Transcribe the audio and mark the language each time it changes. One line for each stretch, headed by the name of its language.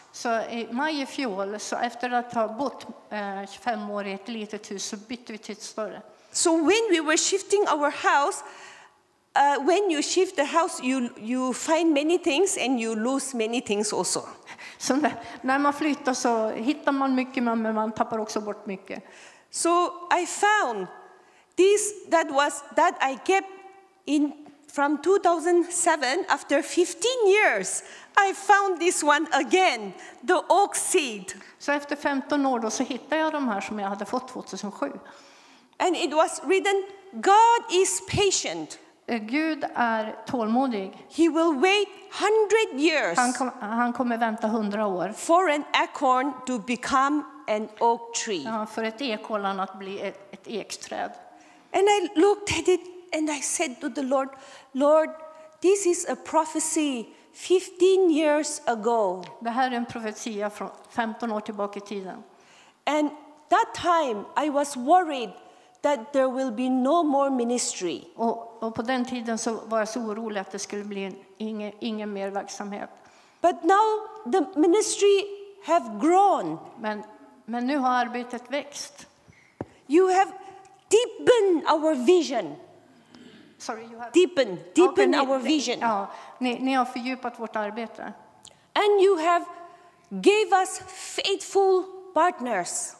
Swedish: Så i maj i fjol, så efter att ha bott 25 år i ett litet hus, så bytte vi till ett större.
English: So when we were shifting our house, when you shift the house, you find many things and you lose many things also.
Swedish: Så när man flyttar så hittar man mycket, men man tappar också bort mycket.
English: So I found this that I kept in from 2007. After 15 years, I found this one again, the oak seed.
Swedish: Så efter 15 år då så hittade jag de här som jag hade fått 2007.
English: And it was written, God is patient.
Swedish: Gud är tålmodig.
English: He will wait 100 years.
Swedish: Han kommer vänta 100 år.
English: For an acorn to become an oak tree.
Swedish: Ja, för ett ekollan att bli ett ekträd.
English: And I looked at it and I said to the Lord, Lord, this is a prophecy 15 years ago.
Swedish: Det här är en profetia från 15 år tillbaka i tiden.
English: And that time I was worried that there will be no more ministry.
Swedish: Och på den tiden så var jag så orolig att det skulle bli ingen mer verksamhet.
English: But now the ministry have grown.
Swedish: Men nu har arbetet växt.
English: You have deepened our vision. Sorry, you have deepened our vision.
Swedish: Ja, ni har fördjupat vårt arbete.
English: And you have gave us faithful partners.